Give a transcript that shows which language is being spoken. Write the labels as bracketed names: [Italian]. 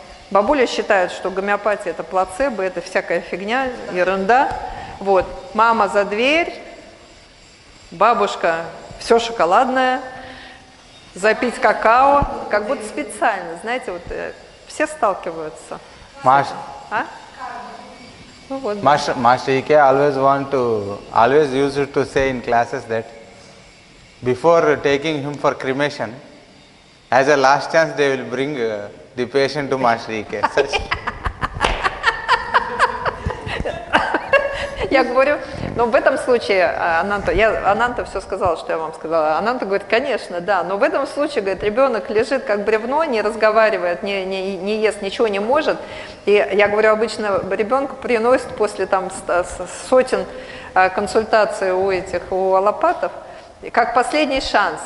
[Russian] Бабуля считает, что гомеопатия – это плацебо, это всякая фигня, ерунда. Вот, мама за дверь, бабушка все шоколадное, запить какао, как будто специально, знаете, вот все сталкиваются. Маша. А? [English] Master, Master EK always want to, always used to say in classes that before taking him for cremation, as a last chance they will bring the patient to Master EK. [Russian] Я говорю, но в этом случае, Ананта все сказала, что я вам сказала. Ананта говорит, конечно, да, но в этом случае, говорит, ребенок лежит как бревно, не разговаривает, не ест, ничего не может. И я говорю, обычно ребенка приносят после там сотен консультаций у этих, у аллопатов, как последний шанс.